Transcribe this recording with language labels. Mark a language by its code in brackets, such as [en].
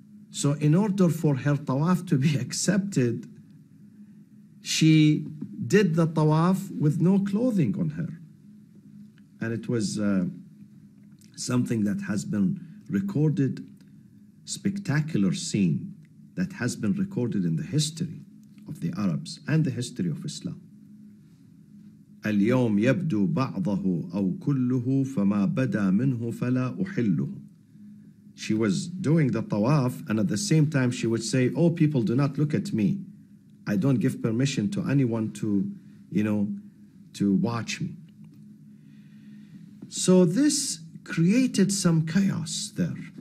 [en] So in order for her tawaf to be accepted, she did the tawaf with no clothing on her. And it was something that has been recorded, spectacular scene that has been recorded in the history of the Arabs and the history of Islam. [ar] اليوم يبدو بعضه أو كله فما بدا منه فلا أحله. [en] She was doing the tawaf, and at the same time she would say, oh, people, do not look at me. I don't give permission to anyone to, you know, to watch me. So this created some chaos there.